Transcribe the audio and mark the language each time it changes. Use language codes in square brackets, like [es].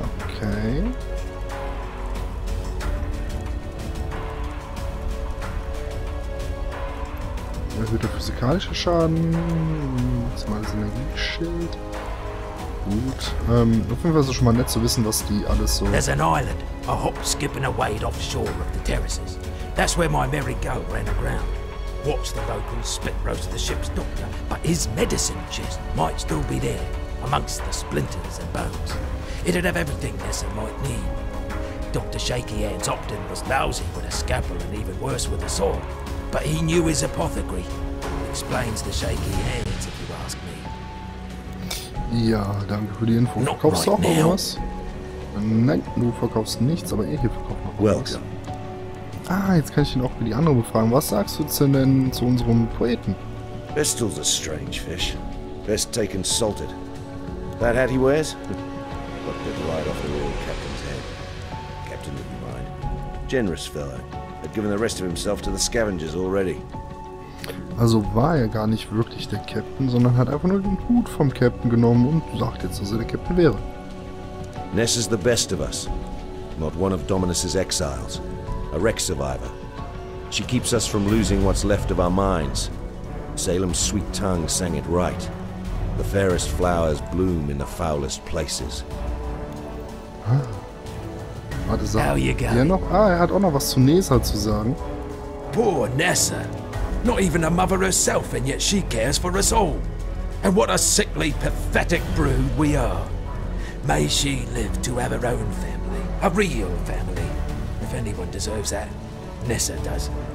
[de] Okay. Erhöhter physikalischer Schaden. Jetzt mal das Energieschild. Gut. Auf jeden Fall ist es schon mal nett zu wissen, was die alles so. [en] There's an island, a hop, skip and a wade offshore of the terraces. That's where my merry goat ran aground. Watch the locals spit roast the ship's doctor, but his medicine chest might still be there, amongst the splinters and bones. It'd have everything Nessa might need. Dr. Shaky Hands Opton was lousy with a scalpel and even worse with a sword. But he knew his apothecary. Explains the shaky hands, if you ask me. [de] Ja, danke für die Info. Verkaufst du auch noch was? Nein, du verkaufst nichts, aber er hier verkauft noch was. Ah, jetzt kann ich ihn auch für die andere befragen. Was sagst du denn zu unserem Poeten? [en] Vestal's a strange fish. Best taken salted. That hat he wears? Looked it right off the royal captain's head. Captain didn't mind. Generous fellow. Had given the rest of himself to the scavengers already. [de] Also war er gar nicht wirklich der Captain, sondern hat einfach nur den Hut vom Captain genommen und sagt jetzt, dass er der Captain wäre. [en] Ness is the best of us. Not one of Dominus's exiles. A wreck survivor. She keeps us from losing what's left of our minds. Salem's sweet tongue sang it right. The fairest flowers bloom in the foulest places. [de] Warte, sag mal. Ja, noch. Ah, er hat auch noch was zu Nessa zu sagen. [en] Poor Nessa. Not even a mother herself, and yet she cares for us all. And what a sickly, pathetic brood we are. May she live to have her own family. A real family. If anyone deserves that, Nessa does.